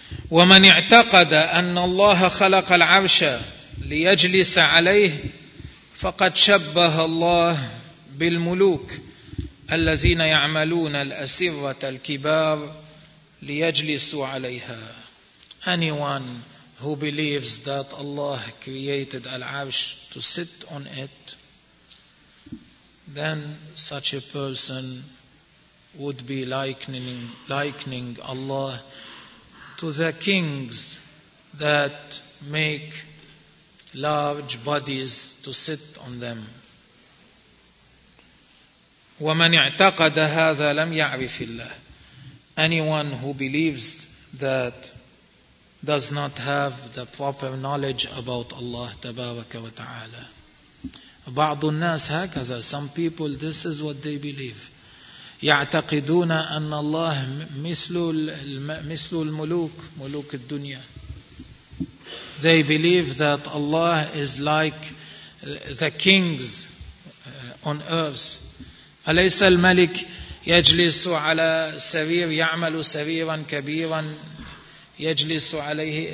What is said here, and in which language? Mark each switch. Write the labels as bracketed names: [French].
[Arabic] ومن اعتقد أن الله خلق العرش ليجلس عليه فقد شبه الله بالملوك الذين يعملون الأسرة الكبار ليجلسوا عليها. [English] Anyone who believes that Allah created al-arsh to sit on it, then such a person would be likening Allah to the kings that make large bodies to sit on them. [Arabic] ومن اعتقد هذا لم يعرف الله. [English] Anyone who believes that does not have the proper knowledge about Allah [Arabic] تبارك وتعالى. بعض الناس هكذا. [English] Some people, this is what they believe. [Arabic] يعتقدون أن الله مثل الملوك, ملوك الدنيا. [English] They believe that Allah is like the kings on earth. [Arabic] أليس الملك يجلس على سرير, يعمل سريرا كبيرا يجلس عليه.